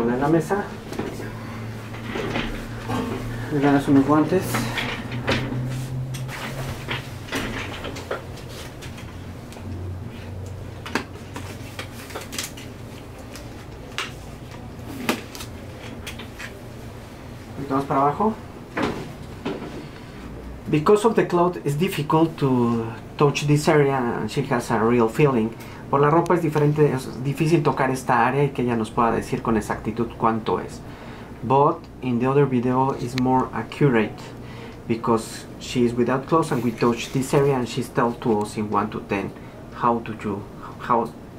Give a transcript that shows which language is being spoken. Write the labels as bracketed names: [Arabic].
[Spanish] Mesa, le ganas unos guantes, y tomas para abajo. [English] Because of the cloth, it's difficult to touch this area and she has a real feeling. [Spanish] Por la ropa es diferente, es difícil tocar esta área y que ella nos pueda decir con exactitud cuánto es. [English] But in the other video is more accurate because she is without clothes and we touch this area and she's told to us in 1 to 10 how to do, how